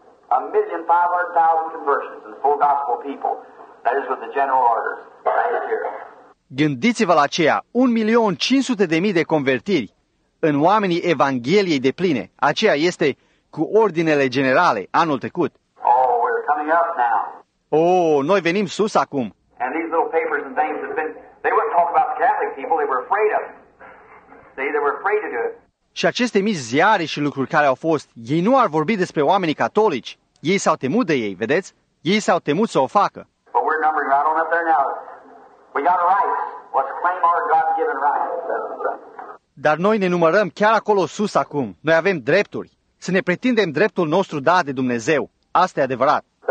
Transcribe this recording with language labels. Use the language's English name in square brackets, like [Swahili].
[English] 1.500.000 conversions in full gospel people. That is with the general orders. Right here. [Romanian] Gândiți-vă la aceea, 1.500.000 de convertiri în oamenii Evangheliei de pline. Aceea este cu ordinele generale anul trecut. [English] Oh, we're coming up now. [Romanian] Oh, noi venim sus acum. [English] And these little papers and things have been, they wouldn't talk about the Catholic people, they were afraid of. See, they were afraid to do it. [Romanian] Și aceste mici ziare și lucruri care au fost, ei nu ar vorbi despre oamenii catolici. Ei s-au temut de ei, vedeți? Ei s-au temut să o facă. [English] But we're numbering right on up there now. We got rights. Let's claim our God-given rights. [Romanian] Dar noi ne numărăm chiar acolo sus acum. Noi avem drepturi. Să ne pretindem dreptul nostru dat de Dumnezeu. Asta e adevărat.